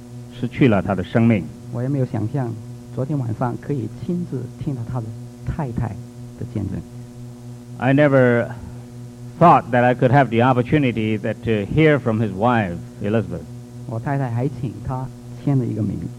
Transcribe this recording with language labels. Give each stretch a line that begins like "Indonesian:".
Chinese: 他也因为他的梦想，他就失去了他的生命. 我也没有想象，昨天晚上可以亲自听到他的太太的见证.
English: I never thought that I could have the opportunity that to hear from his wife, Elizabeth.
Chinese: 我太太还请他签了一个名。